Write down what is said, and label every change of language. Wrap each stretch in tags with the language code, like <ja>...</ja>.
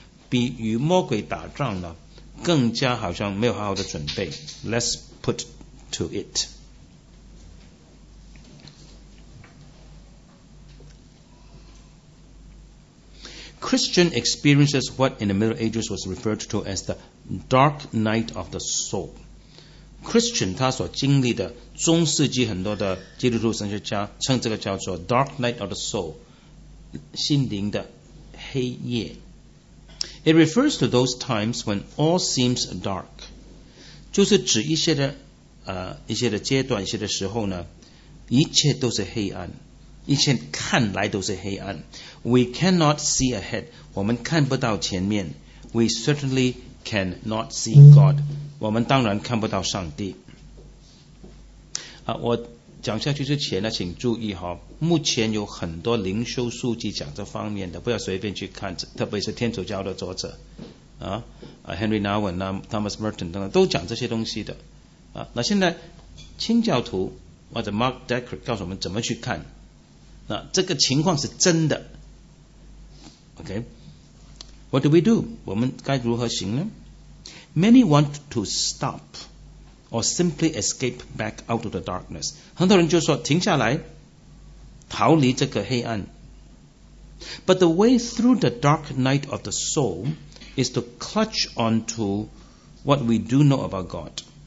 <zh>比与魔鬼打仗呢更加好像没有好好的准备</zh> <en>Less put to it Christian experiences what in the Middle Ages was referred to as the dark night of the soul.</en> <zh>Christian 他所经历的中世纪很多的基督徒神学家称这个叫做</zh> <en>dark night of the soul,</en> <zh>心灵的黑夜。</zh> <en>It refers to those times when all seems dark.</en> <zh>就是指一些的阶段一些的时候呢一切都是黑暗。一切看来都是黑暗</zh> <en>We cannot see ahead</en> <zh>我们看不到前面</zh> <en>We certainly cannot see God</en> <zh>我们当然看不到上帝、啊、我讲下去之前呢请注意、哦、目前有很多灵修书籍讲这方面的不要随便去看特别是天主教的作者、啊、Henry Nouwen、啊、Thomas Merton 等等都讲这些东西的、啊、那现在清教徒或者 Mark Decker 告诉我们怎么去看那这个情况是真的 OK</zh> <en>What do we do?</en> <zh>我们该如何行呢</zh> <en>Many want to stop Or simply escape back out of the darkness</en> <zh>很多人就说停下来逃离这个黑暗</zh> <en>But the way through the dark night of the soul Is to clutch onto What we do know about God</en>